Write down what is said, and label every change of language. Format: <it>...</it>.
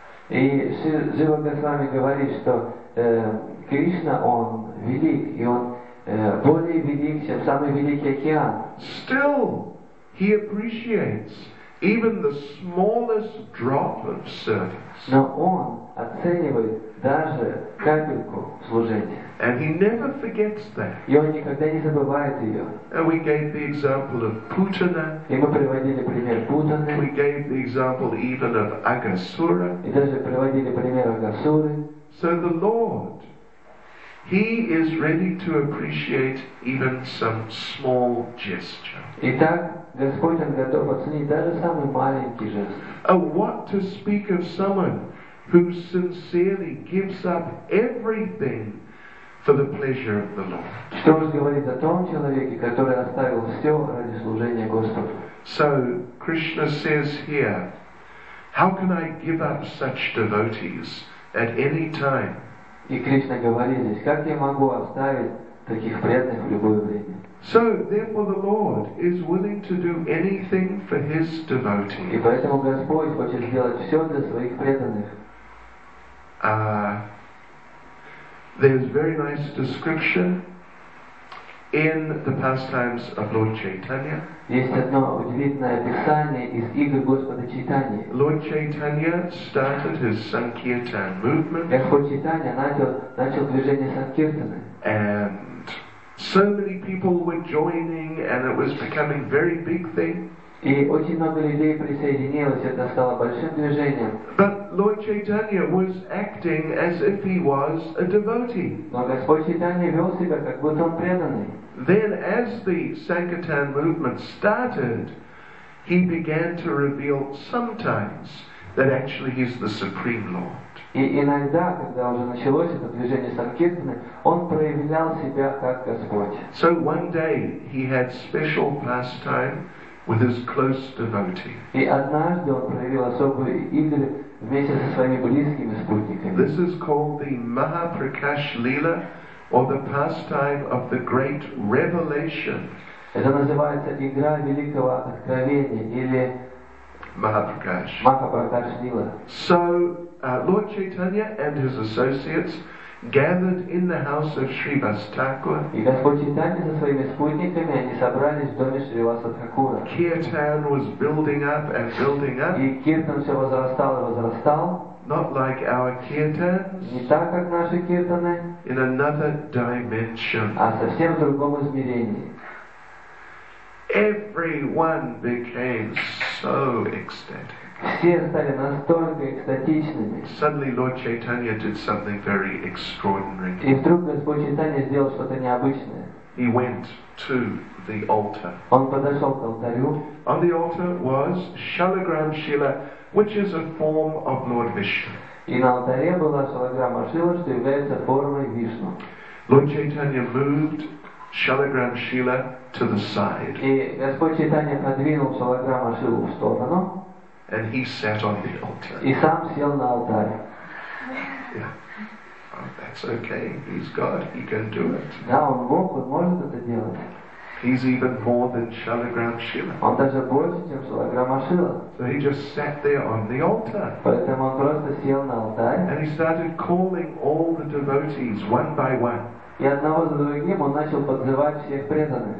<ru>И Srila Goswami говорит, что Кришна, он велик, и он более велик, чем самый великий океан.</ru> <en>Still, he appreciates even the smallest drop of service.</en> <ru>Но он оценивает даже капельку служения.</ru> <en>And he never forgets that.</en> <ru>И он никогда не забывает ее.</ru> <en>And we gave the example of Putana.</en> <ru>И мы приводили пример Путаны.</ru> <en>We gave the example even of Агасура.</en> <ru>И даже приводили пример Агасуры.</ru> <en>So the Lord, he is ready to appreciate even some small gesture.</en> <ru>Итак, Господь, Он готов оценить даже самый маленький жест.</ru> <en>And what to speak of someone who sincerely gives up everything for the pleasure of the Lord.</en> <ru>Что же говорить о том человеке, который оставил все ради служения Господу?</ru> <en>So Krishna says here, how can I give up such devotees at any time?</en> <ru>И Кришна говорит здесь, как я могу оставить таких преданных в любое время?</ru> <en>So therefore the Lord is willing to do anything for His devotees.</en> <ru>И поэтому Господь хочет сделать все для своих преданных.</ru> <en>There's very nice description in the pastimes of Lord Chaitanya.</en> <ru>Есть одно удивительное описание из игр Господа Чайтаньи.</ru> <en>Lord Chaitanya started his Sankirtan movement.</en> <ru>Господь Чайтанья начал движение Санкиртаны.</ru> <en>And so many people were joining, and it was becoming a very big thing.</en> <ru>И очень много людей присоединилось, это стало большим движением.</ru> <en>But Lord Chaitanya was acting as if he was a devotee.</en> <ru>Но Господь Чайтанья вел себя, как будто он преданный.</ru> <en>Then as the Sankirtan movement started, he began to reveal sometimes that actually he's the Supreme Lord.</en> <ru>И иногда, когда уже началось это движение Санкиртаны, он проявлял себя как Господь.</ru> <en>So one day he had special pastime with his close devotee.</en> <ru>И однажды он проявил особые игры вместе со своими близкими спутниками.</ru> <en>This is called the Mahaprakash Lila, or the pastime of the great revelation.</en> <ru>Это называется игра великого откровения или Mahaprakash. Mahaprakash Lila.</ru> <en>So Lord Chaitanya and his associates gathered in the house of Sri Vasthakura.</en> <ru>И Господь Чайтанья со своими спутниками, они собрались в доме Шри Васатхакура.</ru> <en>Kirtan was building up and building up.</en> <ru>И киртан все возрастал и возрастал.</ru> <en>Not like our kirtans.</en> <ru>Не так, как наши киртаны.</ru> <en>In another dimension.</en> <ru>А совсем в другом измерении.</ru> <en>Everyone became so ecstatic.</en> <ru>Все стали настолько экстатичными.</ru> <en>Suddenly Lord Chaitanya did something very extraordinary.</en> <ru>И вдруг Господь Чайтанья сделал что-то необычное.</ru> <en>He went to the altar.</en> <ru>Он подошел к алтарю.</ru> <en>On the altar was Shalagram Shila, which is a form of Lord Vishnu.</en> <ru>И на алтаре была Шалаграма Шила, что является формой Вишну.</ru> <en>Lord Chaitanya moved Shalagram Shila to the side.</en> <ru>И Господь Чайтанья подвинул Шалаграма Шилу в сторону.</ru> <en>And he sat on the altar.</en> <ru>И сам сел на алтарь.</ru> <en>Yeah. Oh, that's okay. He's God. He can do it.</en> <ru>Да, он Бог, он может это делать.</ru> <en>He's even more than Shalagram Shila.</en> <ru>Он даже больше, чем Шалаграма Шила.</ru> <en>So he just sat there on the altar.</en> <ru>Поэтому он просто сел на алтарь.</ru> <en>And he started calling all the devotees one by one.</en> <ru>И одного за другим он начал подзывать всех преданных.</ru>